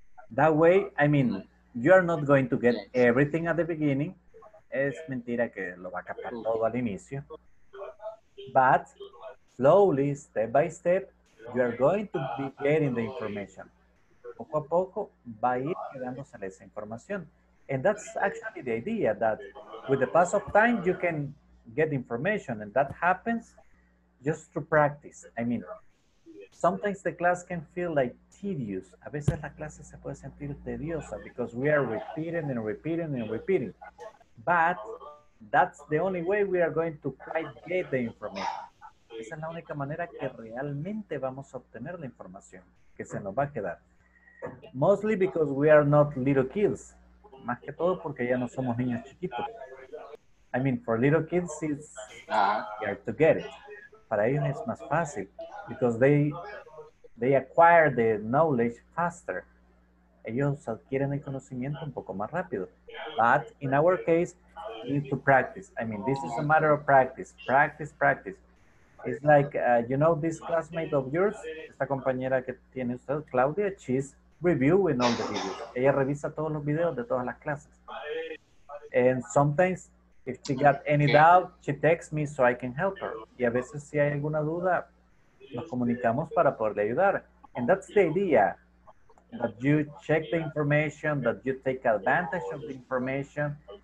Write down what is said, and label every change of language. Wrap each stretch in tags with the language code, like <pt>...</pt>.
<en>That way, I mean, you are not going to get everything at the beginning.</en> <es>Es mentira que lo va a captar todo al inicio.</es> <en>But slowly, step by step, you are going to be getting the information.</en> <es>Poco a poco va a ir quedándose esa información.</es> <en>And that's actually the idea, that with the pass of time, you can get information. And that happens just through practice. I mean, sometimes the class can feel like tedious.</en> <es>A veces la clase se puede sentir tediosa</es> <en>because we are repeating and repeating</en> <es>and repeating.</es> <en>But that's the only way we are going to quite get the information.</en> <es>Esa es la única manera que realmente vamos a obtener la información que se nos va a quedar.</es> <en>Mostly because we are not little kids.</en> <es>Más que todo porque ya no somos niños chiquitos.</es> <en>I mean, for little kids, it's hard to get it.</en> <es>Para ellos es más fácil</es> <en>because they acquire the knowledge faster.</en> <es>Ellos adquieren el conocimiento un poco más rápido.</es> <en>But in our case, you need to practice. I mean, this is a matter of practice. Practice, practice. It's like, you know, this classmate of yours,</en> <es>esta compañera que tiene usted,</es> <en>Claudia, she's reviewing all the videos.</en> <es>Ella revisa todos los videos de todas las clases.</es> <en>And sometimes, if she got any doubt, she texts me so I can help her.</en> <es>Y a veces si hay alguna duda, nos comunicamos para poderle ayudar.</es> <en>And that's the idea, that you check the information, that you take advantage of the information.</en>